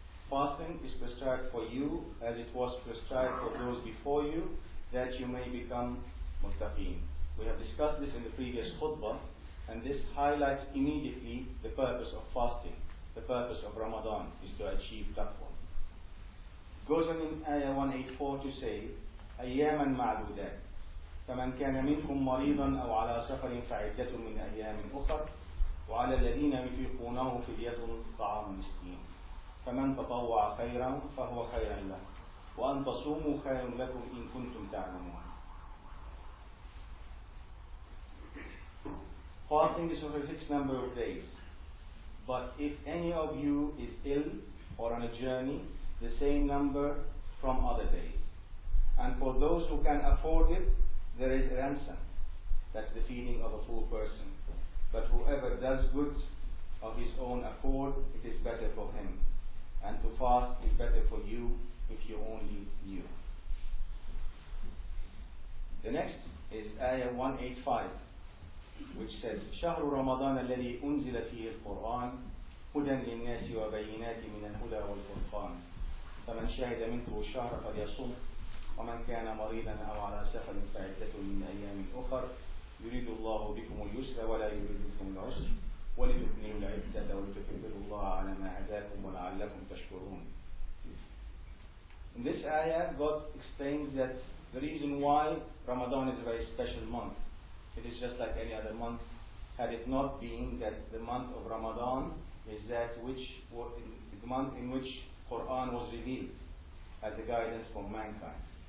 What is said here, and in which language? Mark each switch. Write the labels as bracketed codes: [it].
[en] Fasting is prescribed for you as it was prescribed for those before you, that you may become muttaqeen. We have discussed this in the previous khutbah, and this highlights immediately the purpose of fasting. The purpose of Ramadan is to achieve taqwa. Goes on in ayah 184 to say, [ar] أَيَّامًا مَعْدُودًا فَمَنْ كَانَ مِنْكُمْ مَرِيضًا أَوْ عَلَىٰ سَفَرٍ فَعِدَّةٌ مِنْ أَيَّامٍ أُخَرَ وَعَلَى الَّذِينَ يُطِيقُونَهُ فِدْيَةٌ طَعَامُ مِسْكِينٍ فَمَنْ تَطَوَّعَ خَيْرًا فَهُوَ خَيْرٌ لَهُ وَأَنْ تَصُومُوا خَيْرٌ لَكُمْ إِنْ كُنْتُمْ تَعْلَمُونَ. [en] Fasting is of a fixed number of days, but if any of you is ill or on a journey, the same number from other days. And for those who can afford it, there is ransom. That's the feeding of a poor person. But whoever does good of his own accord, it is better for him. And to fast is better for you if you only knew. The next is ayah 185, which says, [ar] شهر رمضان الذي أنزل فيه القرآن هدى للناس وبينات من الهدى والفرقان فمن شهد منه الشهر فليصم وَمَنْ كَانَ مَرِيضًا أَوْ عَلَىٰ سَفَرٍ فَعِدَّةٌ مِنْ أَيَّامٍ أُخَرَ يُرِيدُ اللَّهُ بِكُمُ الْيُسْرَ وَلَا يُرِيدُ بِكُمُ الْعُسْرَ وَلِتُكْمِلُوا الْعِدَّةَ وَلِتُكَبِّرُوا اللَّهَ عَلَىٰ مَا هَدَاكُمْ وَلَعَلَّكُمْ تَشْكُرُونَ. [en] In this ayah, God explains that the reason why Ramadan is a very special month, it is just like any other month, had it not been that the month of Ramadan is that which the month in which Quran was revealed as a guidance for mankind.